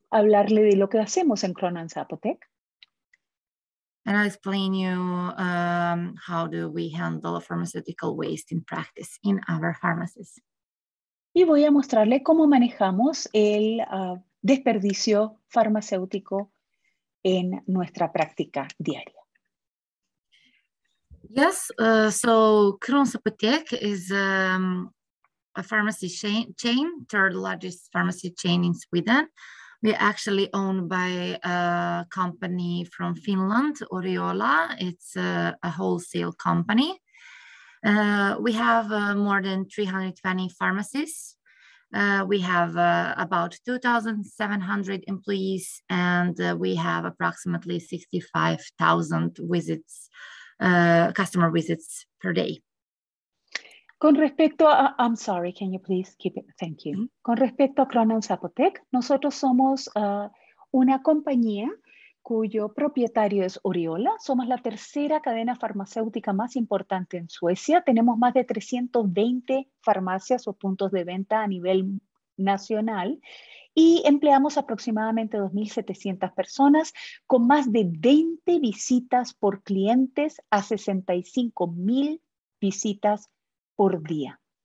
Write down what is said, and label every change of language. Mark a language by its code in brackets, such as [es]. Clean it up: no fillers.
[es] Hablarle de lo que hacemos en Krunan Zapotec. [en] And I'll explain you how do we handle pharmaceutical waste in practice in our pharmacies. [es] Y voy a mostrarle cómo manejamos el desperdicio farmacéutico en nuestra práctica diaria. [en] Yes, so Krunan Zapotec is a pharmacy chain, third largest pharmacy chain in Sweden. We are actually owned by a company from Finland, Oriola. It's a wholesale company. We have more than 320 pharmacies We have about 2,700 employees, and we have approximately 65,000 visits, customer visits per day. [es] Con respecto a, [en] I'm sorry, can you please keep it? Thank you. Mm-hmm. [es] Con respecto a Cronan Zapotec, nosotros somos una compañía cuyo propietario es Oriola. Somos la tercera cadena farmacéutica más importante en Suecia. Tenemos más de 320 farmacias o puntos de venta a nivel nacional y empleamos aproximadamente 2,700 personas con más de 20 visitas por clientes a 65,000 visitas por día.